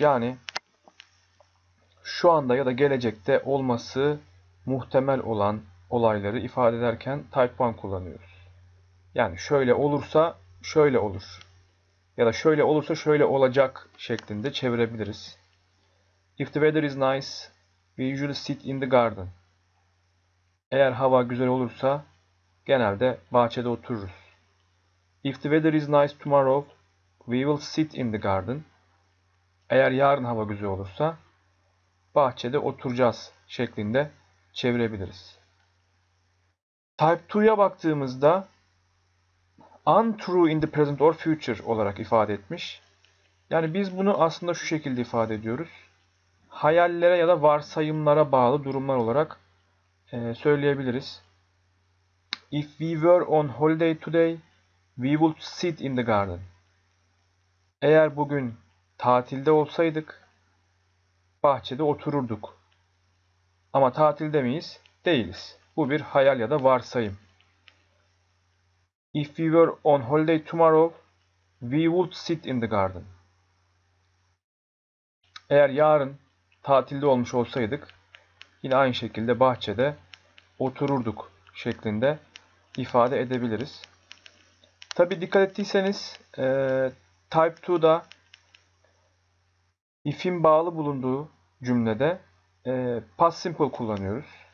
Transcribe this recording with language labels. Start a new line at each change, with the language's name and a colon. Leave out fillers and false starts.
Turkish: Yani şu anda ya da gelecekte olması muhtemel olan olayları ifade ederken Type 1 kullanıyoruz. Yani şöyle olursa şöyle olur. Ya da şöyle olursa şöyle olacak şeklinde çevirebiliriz.
English: If the weather is nice, we usually sit in the garden.
Turkish: Eğer hava güzel olursa genelde bahçede otururuz.
English: If the weather is nice tomorrow, we will sit in the garden.
Turkish: Eğer yarın hava güzel olursa bahçede oturacağız şeklinde çevirebiliriz. Type 2'ya baktığımızda
English: untrue in the present or future
Turkish: olarak ifade etmiş. Yani biz bunu aslında şu şekilde ifade ediyoruz. Hayallere ya da varsayımlara bağlı durumlar olarak söyleyebiliriz.
English: If we were on holiday today, we would sit in the garden.
Turkish: Eğer bugün tatilde olsaydık, bahçede otururduk. Ama tatilde miyiz? Değiliz. Bu bir hayal ya da varsayım.
English: If we were on holiday tomorrow, we would sit in the garden.
Turkish: Eğer yarın tatilde olmuş olsaydık, yine aynı şekilde bahçede otururduk şeklinde ifade edebiliriz. Tabii dikkat ettiyseniz, Type 2'da if'in bağlı bulunduğu cümlede past simple kullanıyoruz.